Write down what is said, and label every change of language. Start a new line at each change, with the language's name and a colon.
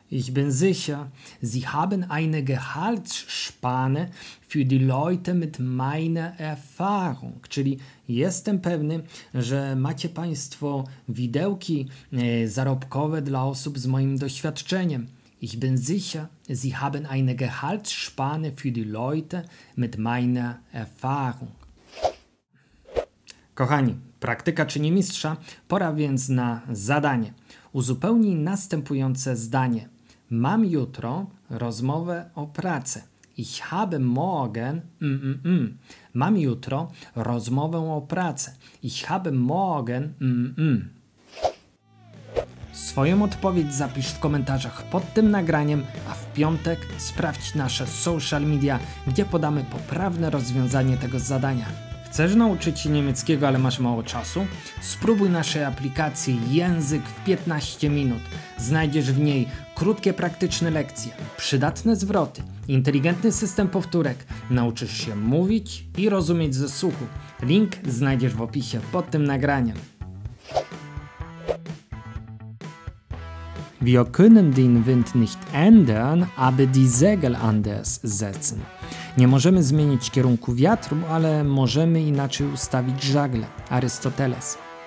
German: Ich bin sicher, Sie haben eine Gehaltsspanne für die Leute mit meiner Erfahrung.
Polish: Czyli jestem pewny, że macie Państwo widełki zarobkowe dla osób z moim doświadczeniem.
German: Ich bin sicher, Sie haben eine Gehaltsspanne für die Leute mit meiner Erfahrung.
Polish: Kochani, praktyka czyni mistrza, pora więc na zadanie. Uzupełnij następujące zdanie. Mam jutro rozmowę o pracę.
German: Ich habe morgen...
Polish: Mam jutro rozmowę o pracę.
German: Ich habe morgen...
Polish: Swoją odpowiedź zapisz w komentarzach pod tym nagraniem, a w piątek sprawdź nasze social media, gdzie podamy poprawne rozwiązanie tego zadania. Chcesz nauczyć się niemieckiego, ale masz mało czasu? Spróbuj naszej aplikacji Język w 15 minut. Znajdziesz w niej krótkie, praktyczne lekcje, przydatne zwroty, inteligentny system powtórek. Nauczysz się mówić i rozumieć ze słuchu. Link znajdziesz w opisie pod tym nagraniem.
German: Wir können den Wind nicht ändern, aber die Segel anders setzen.
Polish: Nie możemy zmienić kierunku wiatru, ale możemy inaczej ustawić żagle. Arystoteles.